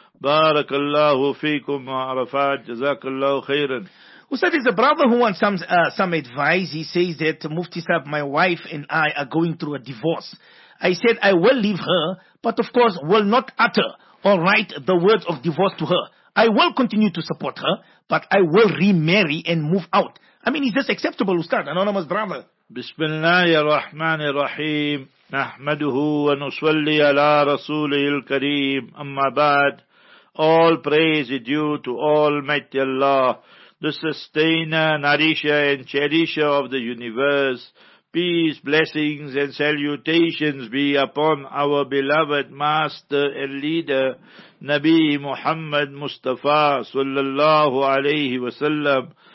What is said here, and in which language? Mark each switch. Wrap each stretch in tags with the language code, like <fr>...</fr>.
<ar>بارك الله فيكم عرفات جزاك الله خيرا.</ar> <en>Ustad, is a brother who wants some advice. He says that Mufti Sahib, my wife and I are going through a divorce. I said I will leave her, but of course will not utter or write the words of divorce to her. I will continue to support her, but I will remarry and move out. I mean, is this acceptable, Ustad, anonymous brother?</en> <ar>بسم الله الرحمن الرحيم نحمده ونصلي على رسوله الكريم أما بعد.</ar> <en>All praise is due to Almighty Allah, the sustainer, nourisher, and cherisher of the universe. Peace, blessings, and salutations be upon our beloved master and leader, Nabi Muhammad Mustafa sallallahu alayhi wa sallam.</en>